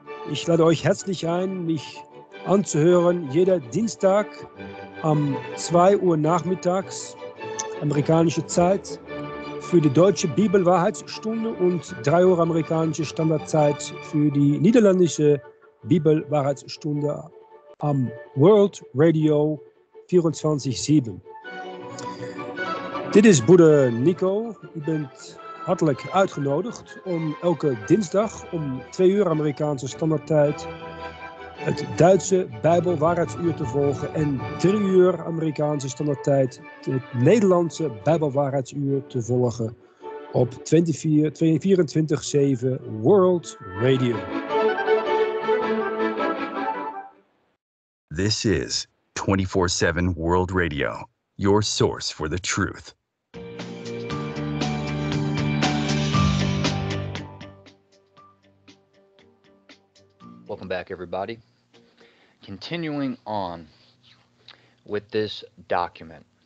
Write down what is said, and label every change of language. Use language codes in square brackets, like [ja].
[de] Ich lade euch herzlich ein, mich anzuhören, jeder Dienstag um 2 Uhr nachmittags, amerikanische Zeit, für die deutsche Bibelwahrheitsstunde und 3 Uhr amerikanische Standardzeit für die niederländische Bibelwahrheitsstunde am World Radio 24/7. [nl] Dit is Bruder Nico. U bent hartelijk uitgenodigd om elke dinsdag om 2 uur Amerikaanse standaardtijd het Duitse Bijbelwaarheidsuur te volgen en 3 uur Amerikaanse standaardtijd het Nederlandse Bijbelwaarheidsuur te volgen op 24/7 World Radio. [en] This is 24/7 World Radio, your source for the truth. Welcome back, everybody. Continuing on with this document.